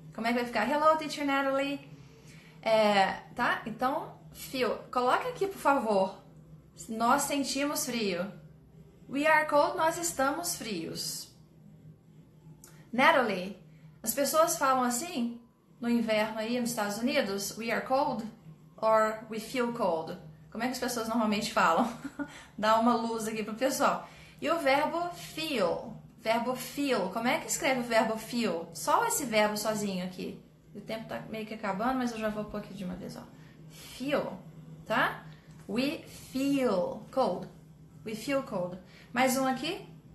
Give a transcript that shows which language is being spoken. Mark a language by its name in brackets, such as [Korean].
[Portuguese] Como é que vai ficar? [English] Hello, teacher Natalie. [Portuguese] Tá? Então, feel. Coloca aqui, por favor. Nós sentimos frio. [English] We are cold, [Portuguese] nós estamos frios. Natalie, as pessoas falam assim no inverno aí nos Estados Unidos? [English] We are cold or we feel cold? [Portuguese] Como é que as pessoas normalmente falam? Dá uma luz aqui pro pessoal. E o verbo feel? Verbo feel. Como é que escreve o verbo feel? Só esse verbo sozinho aqui. O tempo tá meio que acabando, mas eu já vou pôr aqui de uma vez, ó. [English] Feel, tá? We feel cold. We feel cold. [Portuguese] Mais um aqui.